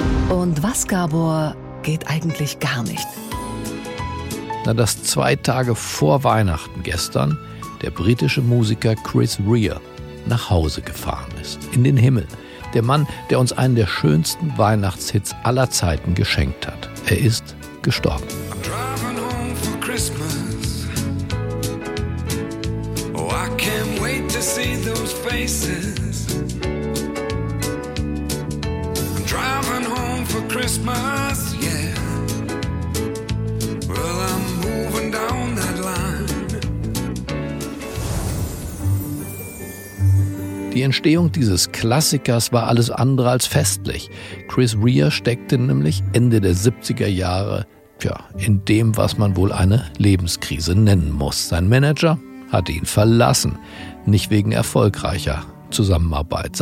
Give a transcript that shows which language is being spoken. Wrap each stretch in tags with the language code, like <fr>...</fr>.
<de>Und was, Gabor, geht eigentlich gar nicht? Na, dass zwei Tage vor Weihnachten gestern der britische Musiker Chris Rea nach Hause gefahren ist, in den Himmel. Der Mann, der uns einen der schönsten Weihnachtshits aller Zeiten geschenkt hat. Er ist gestorben.</de> <en>I'm driving home for Christmas. Oh, I can't wait to see those faces. I'm driving home for Christmas, yeah. Well, I'm moving down that line.</en> <de>Die Entstehung dieses Klassikers war alles andere als festlich. Chris Rea steckte nämlich Ende der 70er Jahre, tja, in dem, was man wohl eine Lebenskrise nennen muss. Sein Manager hatte ihn verlassen, nicht wegen erfolgreicher Zusammenarbeit.</de>